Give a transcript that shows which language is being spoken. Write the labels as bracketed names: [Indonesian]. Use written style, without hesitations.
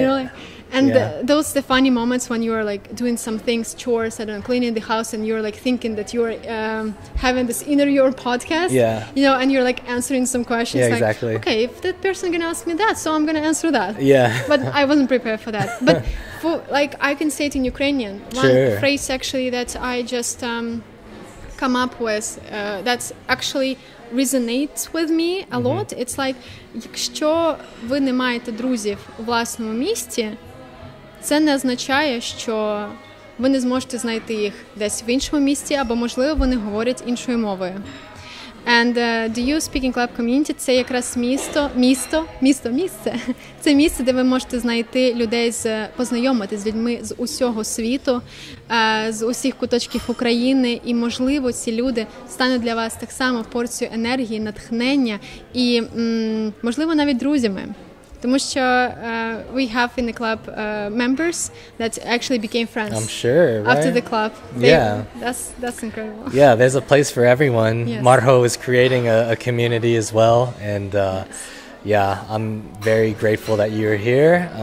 [English] You know, like, and those the funny moments when you are like doing some things, chores, I don't know, cleaning the house, and you're like thinking that you're having this inner your podcast, you know, and you're like answering some questions, exactly. Like, okay, if that person gonna ask me that, so I'm gonna answer that. Yeah. But I wasn't prepared for that. But for like, I can say it in Ukrainian. Sure. One phrase actually that I just come up with that's actually resonates with me a lot. It's like, [Ukrainian] якщо ви не маєте друзів у власному місті, це не означає, що ви не зможете знайти їх десь в іншому місті, або, можливо, вони говорять іншою мовою. [English] And the U Speaking Club community – [Ukrainian] це якраз місце. Це місце, де ви можете знайти людей, познайомити з людьми з усього світу, з усіх куточків України. І, можливо, ці люди стануть для вас так само порцією енергії, натхнення і, можливо, навіть друзями. Тому що [English] we have in the club members that actually became friends. I'm sure, right? After the club. That's incredible. Yeah, there's a place for everyone. Yes. Margo is creating a community as well. And I'm very grateful that you're here.